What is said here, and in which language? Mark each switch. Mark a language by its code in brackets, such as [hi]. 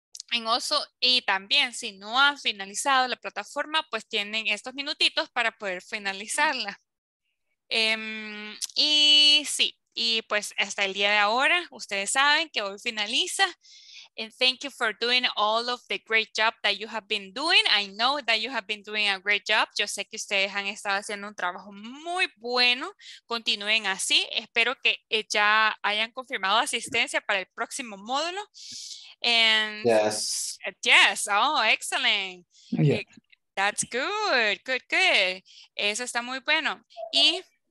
[es] En Oso, y también si no han finalizado la plataforma, pues tienen estos minutitos para poder finalizarla. Y sí. Y pues hasta el día de ahora, ustedes saben que hoy finaliza. [en] And thank you for doing all of the great job that you have been doing. I know that you have been doing a great job. [es] Yo sé que ustedes han estado haciendo un trabajo muy bueno. Continúen así. Espero que ya hayan confirmado asistencia para el próximo módulo. [en] And yes. Yes. Oh, excellent. Yeah. That's good. Good, good. [es] Eso está muy bueno. Y...